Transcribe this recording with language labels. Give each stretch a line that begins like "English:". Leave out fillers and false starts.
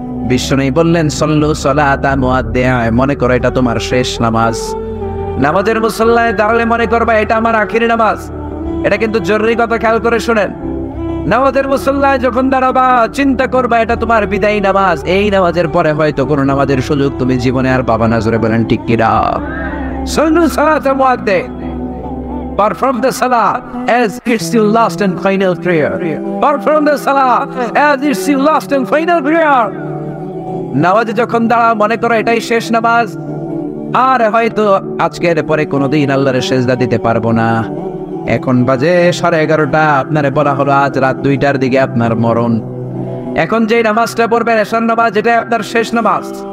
Bangla: বিশ্বনবী বললেন,
Arabic: সল্লু সলাতা মুআদ্দিয়ায়,
Bangla: মনে করো এটা তোমার শেষ নামাজ। নামাজের মুসল্লায় দাঁড়ালে মনে করবা এটা আমার আখেরি নামাজ। এটা কিন্তু জরুরি কথা, খেয়াল করে শুনেন। নামাজের মুসল্লায় যখন দাঁড়াবা চিন্তা করবা এটা তোমার বিদায়ী নামাজ, এই নামাজের পরে হয়তো কোনো নামাজের সুযোগ তুমি জীবনে আর পাবা না। জোরে বলেন ঠিক কিনা।
Arabic: সল্লু সলাতা মুআদ্দিয়ায়,
English: perform the salah as it's your last and final prayer, perform the salah as it's your last and final prayer.
Bangla: নামাজে যখন দাঁড়া মনে করো এটাই শেষ নামাজ, আর হয়তো আজকের পরে কোনোদিন আল্লাহর সেজদা দিতে পারবো না। এখন বাজে 11:30, আপনারে বলা হলো আজ রাত 2টার দিকে আপনার মরণ। এখন যে নামাজটা পড়বেন এশার নামাজ, এটাই আপনার শেষ নামাজ।